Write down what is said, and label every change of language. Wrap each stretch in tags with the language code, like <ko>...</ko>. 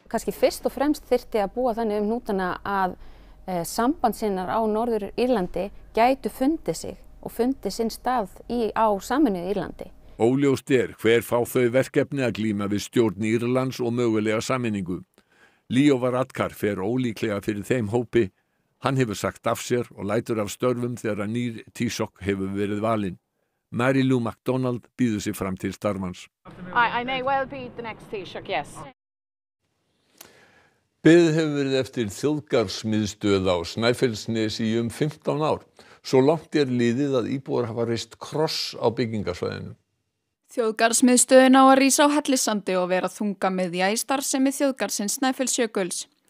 <is>Kannski fyrst og fremst þyrfti að búa þannig hnútana að sambandssinnar á Norður Írlandi gætu fundið sig og fundið sinn stað á sameinuðu Írlandi. Óljóst hver fá þau verkefni að glíma við stjórn Írlands og mögulega sameiningu. Leo Varadkar fer ólíklega fyrir þeim hópi. Hann hefur sagt af sér og lætur af störfum þegar að nýr Taoiseach hefur verið valinn. Mary Lou MacDonald býður sig fram til starfans.</is> <en>I may well be the next Taoiseach, yes.</en> <is>Bið hefur verið eftir þjóðgarðsmiðstöð á Snæfellsnesi í 15 ár. Svo langt liðið að íbúar hafa reist kross á byggingarsvæðinu. Þjóðgarðsmiðstöðin á að rísa á Hellissandi og vera þunga með því æstar sem er þjóðgarðsins Snæfellsjökuls.</is>